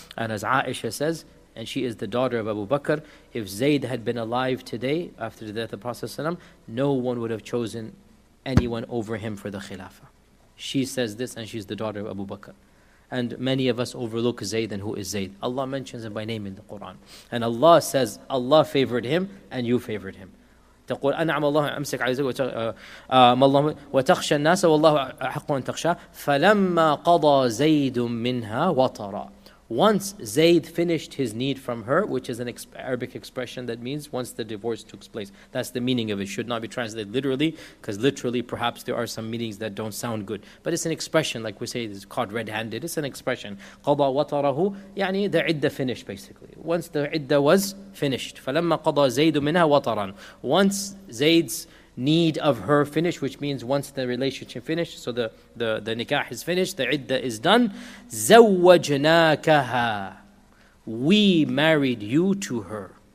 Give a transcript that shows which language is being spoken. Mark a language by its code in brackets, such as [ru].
[en] And as Aisha says, and she is the daughter of Abu Bakr, if Zayd had been alive today after the death of Prophet ﷺ, no one would have chosen anyone over him for the Khilafah. She says this, and she's the daughter of Abu Bakr. And many of us overlook Zayd, and who is Zayd? Allah mentions him by name in the Quran. And Allah says, Allah favored him, and you favored him. [ar] تقول أنعم الله أمسك على زوجك وتخشى الناس والله أحق أن تخشى فلما قضى زيد منها وطرى. [en] Once Zayd finished his need from her, which is an Arabic expression that means once the divorce took place. That's the meaning of it. Should not be translated literally, because literally perhaps there are some meanings that don't sound good. But it's an expression, like we say, it's caught red-handed. It's an expression. [ar] قَضَى وَطَرَهُ يعني [en] the [ar] عِدَّة [en] finished, basically. Once the عِدَّة was finished. [ar] فَلَمَّا قَضَى زَيْدُ مِنْهَا وَطَرًا. [en] Once Zayd's need of her finished, which means once the relationship finished, so the nikah is finished, the iddah is done. [ar] زَوَّجْنَاكَهَا. [en] We married you to her.